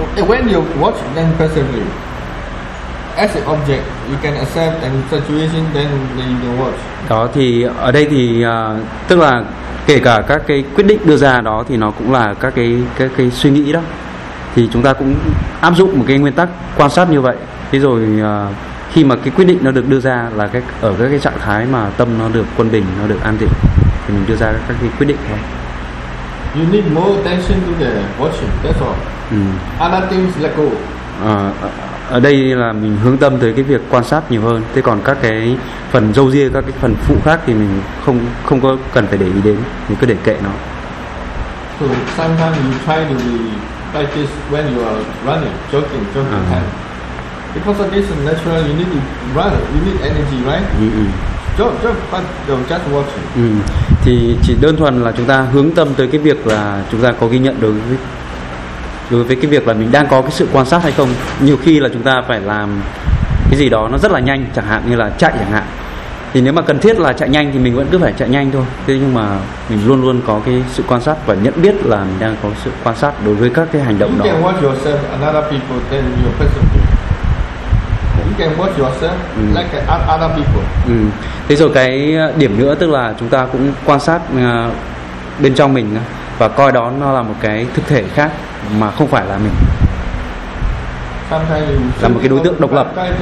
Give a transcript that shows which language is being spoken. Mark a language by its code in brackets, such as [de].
[en] When you watch then passively, as an object, you can accept and situation, then you can watch. [vi] Đó thì ở đây thì tức là kể cả các cái quyết định đưa ra đó thì nó cũng là các cái suy nghĩ đó. Thì chúng ta cũng áp dụng một cái nguyên tắc quan sát như vậy. Thế rồi khi mà cái quyết định nó được đưa ra là ở các cái trạng thái mà tâm nó được quân bình, nó được an tịnh, thì mình đưa ra các cái quyết định thôi. [en] You need more attention to the watching, that's all. Other things let go. [vi] Ở đây là mình hướng tâm tới cái việc quan sát nhiều hơn. Thế còn các cái phần râu ria, các cái phần phụ khác thì mình không có cần phải để ý đến, mình cứ để kệ nó. [en] So sometimes you try to be like this when you are running, jogging. Because of this natural, you need to run, you need energy, right? Just watch it. [vi] Thì chỉ đơn thuần là chúng ta hướng tâm tới cái việc là chúng ta có ghi nhận đối với cái việc là mình đang có cái sự quan sát hay không. Nhiều khi là chúng ta phải làm cái gì đó nó rất là nhanh, chẳng hạn như là chạy chẳng hạn. Thì nếu mà cần thiết là chạy nhanh thì mình vẫn cứ phải chạy nhanh thôi. Thế nhưng mà mình luôn luôn có cái sự quan sát và nhận biết là mình đang có sự quan sát đối với các cái hành động đó. [en] You can watch yourself and other people than your personal. You can watch yourself like other people. [vi] Thế rồi cái điểm nữa tức là chúng ta cũng quan sát bên trong mình và coi đó nó là một cái thực thể khác mà không phải là mình, là một cái đối tượng độc lập.